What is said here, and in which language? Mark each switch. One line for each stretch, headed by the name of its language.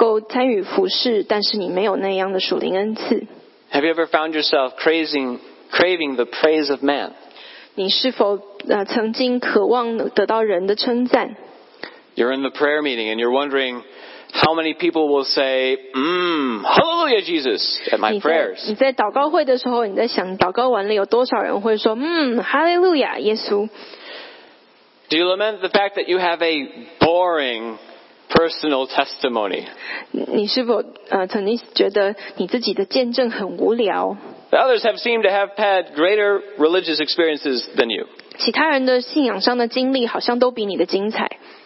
Chinese: 你是不是曾经渴望在某一个方面能够参与服事，但是你没有那样的属灵恩赐？
English: Have you ever found yourself craving the praise of man?
Chinese: 你是否曾经渴望得到人的称赞？
English: You're in the prayer meeting and you're wondering how many people will say, "Hallelujah, Jesus," at my prayers.
Chinese: 你在祷告会的时候，你在想祷告完了有多少人会说 "Hallelujah, 耶稣"？
English: Do you lament the fact that you have a boring personal testimony?
Chinese: 你是否曾经觉得你自己的见证很无聊？
English: The others have seemed to have had greater religious experiences than you.
Chinese: 其他人的信仰上的经历好像都比你的精彩。